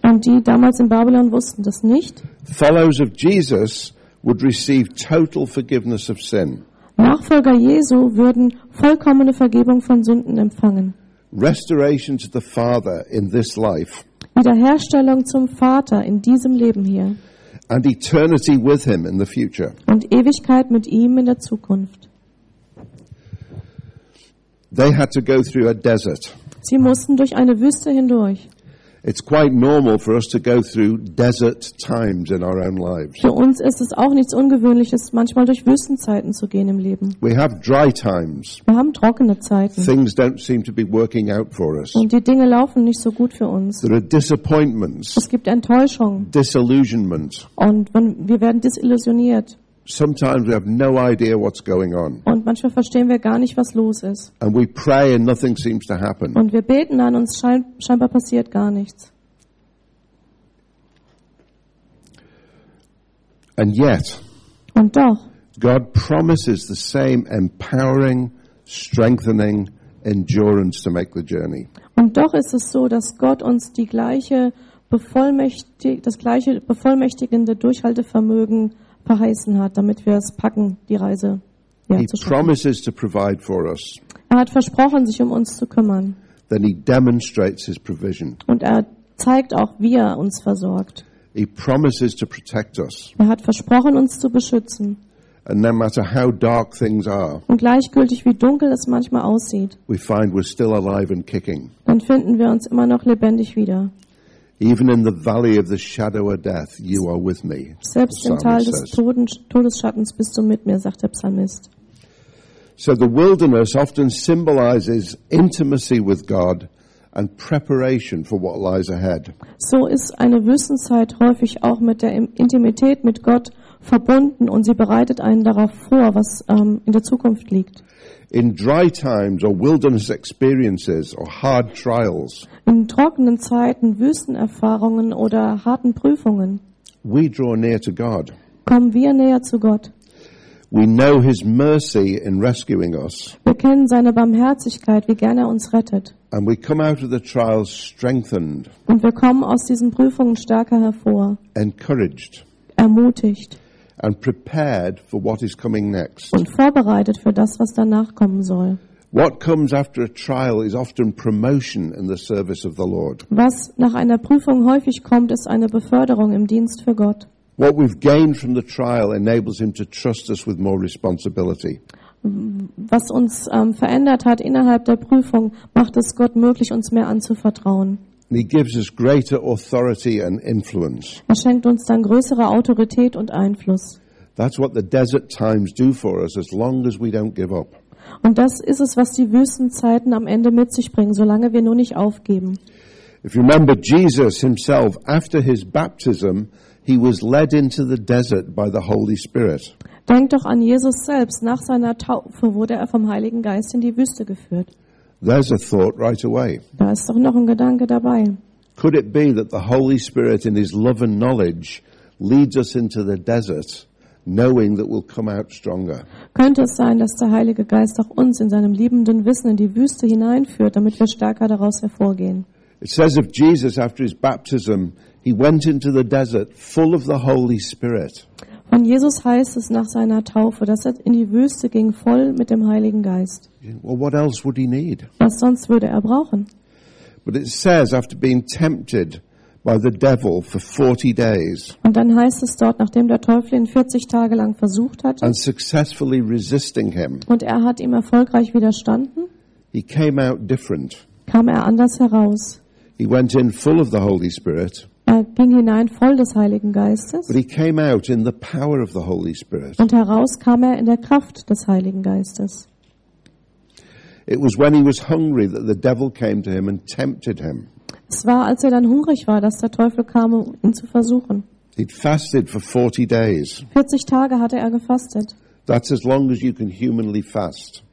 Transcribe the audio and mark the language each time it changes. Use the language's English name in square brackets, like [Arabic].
[German] und die damals in Babylon wussten das nicht, [English] followers of Jesus would receive total forgiveness of sin. [German] Nachfolger Jesu würden vollkommene Vergebung von Sünden empfangen. [English] Restoration to the Father in this life. [German] Wiederherstellung zum Vater in diesem Leben hier. [English] And eternity with him in the future. [German] Und Ewigkeit mit ihm in der Zukunft. [English] They had to go through a desert. [German] Sie mussten durch eine Wüste hindurch. [English] It's quite normal for us to go through desert times in our own lives. [German] Für uns ist es auch nichts Ungewöhnliches, manchmal durch Wüstenzeiten zu gehen im Leben. [English] We have dry times. [German] Wir haben trockene Zeiten. [English] Things don't seem to be working out for us. [German] Und die Dinge laufen nicht so gut für uns. [English] There are disappointments. [German] Es gibt Enttäuschungen. [English] Disillusionment. [German] Und wir werden disillusioniert. [English] Sometimes we have no idea what's going on. [German] Und manchmal verstehen wir gar nicht, was los ist. [English] And we pray and nothing seems to happen. [German] Und wir beten an uns scheinbar passiert gar nichts. [English] And yet, [German] und doch, [English] God promises the same empowering, strengthening endurance to make the journey. [German] Und doch ist es so, dass Gott uns das gleiche bevollmächtigende Durchhaltevermögen verheißen hat, damit wir es packen, die Reise [English] promises to provide for us. [German] Er hat versprochen, sich um uns zu kümmern. [English] Then he demonstrates his provision. [German] Und er zeigt auch, wie er uns versorgt. [English] He promises to protect us. [German] Er hat versprochen, uns zu beschützen. [English] And no matter how dark things are, [German] und gleichgültig, wie dunkel es manchmal aussieht, [English] we find we're still alive and kicking. [German] Dann finden wir uns immer noch lebendig wieder. [English] Even in the valley of the shadow of death, you are with me. [German] Selbst im Tal des Todesschattens bist du mit mir, sagt der Psalmist. [English] So the wilderness often symbolizes intimacy with God and preparation for what lies ahead. [German] So ist eine Wüstenzeit häufig auch mit der Intimität mit Gott verbunden und sie bereitet einen darauf vor, was in der Zukunft liegt. [English] In dry times or wilderness experiences or hard trials. [German] In trockenen Zeiten, Wüstenerfahrungen oder harten Prüfungen. [English] We draw near to God. [German] Kommen wir näher zu Gott. [English] We know his mercy in rescuing us. [German] Wir kennen seine Barmherzigkeit, wie gern er uns rettet. [English] And we come out of the trials strengthened. [German] Und wir kommen aus diesen Prüfungen stärker hervor. [English] Encouraged. [German] Ermutigt. [English] And prepared for what is coming next. [German] Und vorbereitet für das, was danach kommen soll. [English] What comes after a trial is often promotion in the service of the Lord. [German] Was nach einer Prüfung häufig kommt, ist eine Beförderung im Dienst für Gott. [English] What we've gained from the trial enables him to trust us with more responsibility. [German] Was uns verändert hat innerhalb der Prüfung, macht es Gott möglich, uns mehr anzuvertrauen. [English] He gives us greater authority and influence. [German] Er schenkt uns dann größere Autorität und Einfluss. [English] That's what the desert times do for us, as long as we don't give up. [German] Und das ist es, was die Wüstenzeiten am Ende mit sich bringen, solange wir nur nicht aufgeben. [English] If you remember Jesus himself, after his baptism, he was led into the desert by the Holy Spirit. [German] Denk doch an Jesus selbst. Nach seiner Taufe wurde er vom Heiligen Geist in die Wüste geführt. [English] There's a thought right away. [German] Da ist doch noch ein Gedanke dabei. [English] Could it be that the Holy Spirit in his love and knowledge leads us into the desert, knowing that we'll come out stronger? [German] Könnte es sein, dass der Heilige Geist auch uns in seinem liebenden Wissen in die Wüste hineinführt, damit wir stärker daraus hervorgehen? [English] It says of Jesus after his baptism, he went into the desert full of the Holy Spirit. [German] Von Jesus heißt es nach seiner Taufe, dass er in die Wüste ging, voll mit dem Heiligen Geist. [English] Well, what else would he need? [German] Was sonst würde er brauchen? [English] But it says after being tempted by the devil for 40 days. [German] Und dann heißt es dort, nachdem der Teufel ihn 40 Tage lang versucht hat. [English] And successfully resisting him. [German] Und er hat ihm erfolgreich widerstanden. [English] He came out different. [German] Kam er anders heraus. [English] He went in full of the Holy Spirit. [German] Er ging hinein voll des Heiligen Geistes. [English] But he came out in the power of the Holy Spirit. [German] Und heraus kam er in der Kraft des Heiligen Geistes. [English] It was when he was hungry that the devil came to him and tempted him. [German] Es war, als er dann hungrig war, dass der Teufel kam, um ihn zu versuchen. [English] He'd fasted for 40 days. [German] 40 Tage hatte er gefastet. [English] That's as long as you can humanly fast.